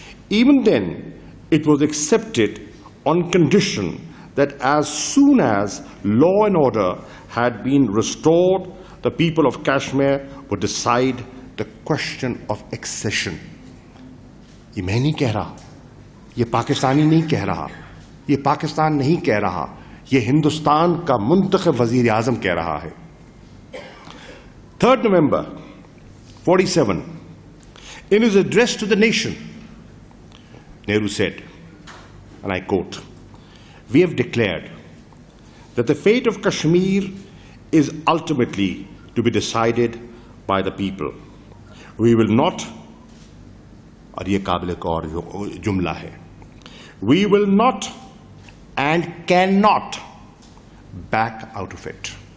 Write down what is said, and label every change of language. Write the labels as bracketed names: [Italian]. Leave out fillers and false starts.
[English] Even then, it was accepted on condition that as soon as law and order had been restored, the people of Kashmir would decide the question of accession. [Urdu] Ye main nahi keh raha. یہ پاکستانی نہیں کہہ رہا، یہ پاکستان نہیں کہہ رہا، یہ ہندوستان کا منتخب وزیراعظم کہہ رہا ہے۔ [English] 3 November 1947 in his address to the nation, Nehru said, and I quote, we have declared that the fate of Kashmir is ultimately to be decided by the people. We will not, [Urdu] aur ye kabil ek aur jumla hai, [English] we will not and cannot back out of it.